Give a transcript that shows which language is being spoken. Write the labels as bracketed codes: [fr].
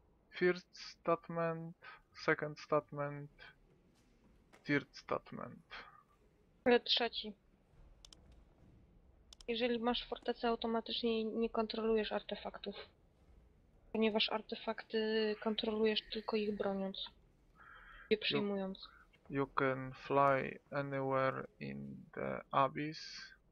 [en] First statement, second statement, third statement. [pl] Trzeci. Jeżeli masz fortecę, automatycznie nie kontrolujesz artefaktów. Ponieważ artefakty kontrolujesz tylko ich broniąc. Je przyjmując. [en] You can fly anywhere in the abyss.